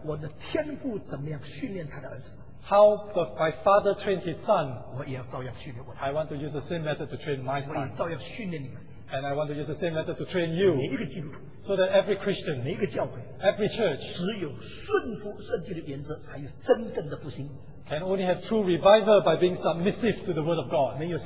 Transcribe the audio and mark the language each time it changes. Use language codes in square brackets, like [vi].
[zh] 我的天父怎么样训练他的儿子, [en] how my father trained his son, [zh] 我也要照样训练我的, [en] I want to use the same method to train my son. [zh] 我也照样训练你们, [en] and I want to use the same method to train you. [zh] 每一个基督徒, [en] so that every Christian, [zh] 每一个教会, [en] every church, [zh] 只有顺服圣经的原则才有真正的复兴, [en] can only have true revival by being submissive to the word of God.